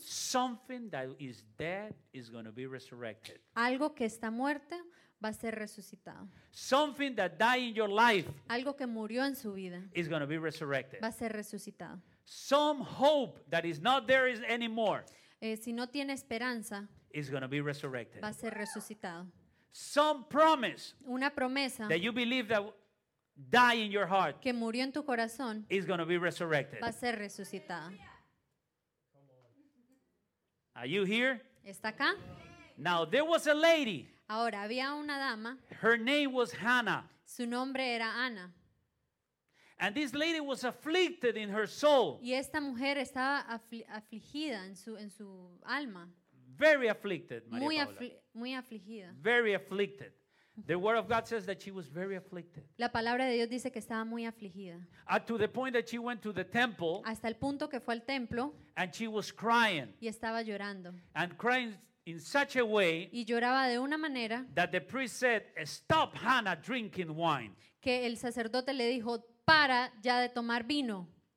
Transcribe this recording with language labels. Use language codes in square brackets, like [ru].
[en] something that is dead is going to be resurrected. [es] Algo que está muerto va a ser resucitado. [en] Something that died in your life, [es] algo que murió en su vida, [en] is going to be resurrected. [es] Va a ser resucitado. [en] Some hope that is not there is anymore. [es] Si no tiene esperanza, [en] is going to be resurrected. [es] Va a ser resucitado. [en] Some promise. [es] Una promesa. [en] That you believe that die in your heart, [es] que murió en tu corazón, [en] is going to be resurrected. [es] Va a ser resucitada. [en] Are you here? [es] ¿Está acá? [en] Now there was a lady. [es] Ahora había una dama. [en] Her name was Hannah. [es] Su nombre era Ana. [en] And this lady was afflicted in her soul. [es] Y esta mujer estaba afligida en su alma. [en] Very afflicted, María [es] muy Paula. Muy afligida. [en] Very afflicted. The word of God says that she was very afflicted. [es] La palabra de Dios dice que estaba muy afligida. [en] To the point that she went to the temple. [es] Hasta el punto que fue al templo. [en] And she was crying. [es] Y estaba llorando. [en] And crying in such a way. [es] Y lloraba de una manera. [en] That the priest said, "Stop, Hannah, drinking wine." [es] Que el sacerdote le dijo, "Para ya de tomar vino."